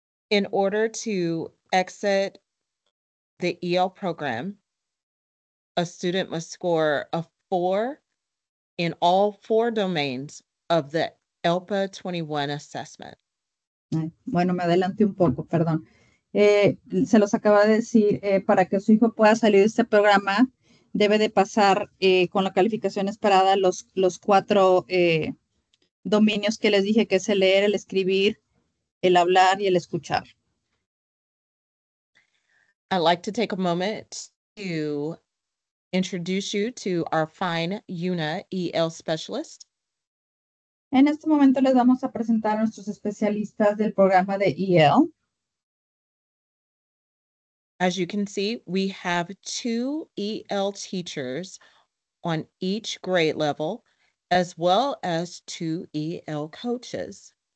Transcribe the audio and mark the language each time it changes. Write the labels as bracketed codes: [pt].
[en] In order to exit the EL program, a student must score a 4 in all 4 domains of the ELPA 21 assessment. [es] Bueno, me adelanté un poco, perdón. Se los acaba de decir, para que su hijo pueda salir de este programa, debe de pasar con la calificación esperada los cuatro dominios que les dije, que es el leer, el escribir, el hablar y el escuchar. [en] I'd like to take a moment to introduce you to our fine UNA EL specialist. [es] En este momento les vamos a presentar a nuestros especialistas del programa de EL. [en] As you can see, we have 2 EL teachers on each grade level, as well as 2 EL coaches.